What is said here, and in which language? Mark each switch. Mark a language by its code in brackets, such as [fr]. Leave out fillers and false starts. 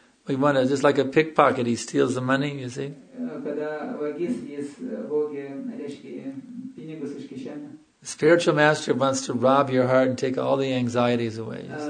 [en] We want to, just like a pickpocket, he steals the money, you see? [lt] Kada vagis, jis vogė, reiškia, pinigus iš kišenės. [en] The spiritual master wants to rob your heart and take all the anxieties away.